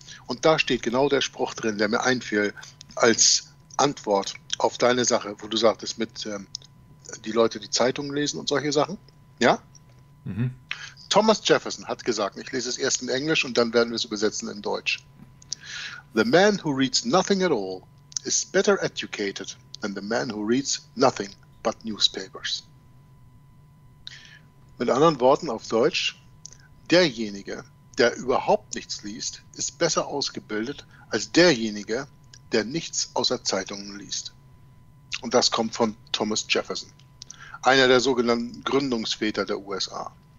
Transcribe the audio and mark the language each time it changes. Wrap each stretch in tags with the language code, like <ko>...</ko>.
<de>Und da steht genau der Spruch drin, der mir einfiel als Antwort auf deine Sache, wo du sagtest, mit die Leute, die Zeitungen lesen und solche Sachen. Ja? Mhm. Thomas Jefferson hat gesagt, ich lese es erst in Englisch und dann werden wir es übersetzen in Deutsch.</de> <en>The man who reads nothing at all is better educated than the man who reads nothing but newspapers.</en> <de>Mit anderen Worten auf Deutsch, derjenige, der überhaupt nichts liest, ist besser ausgebildet als derjenige, der nichts außer Zeitungen liest. Und das kommt von Thomas Jefferson, einer der sogenannten Gründungsväter der USA.</de>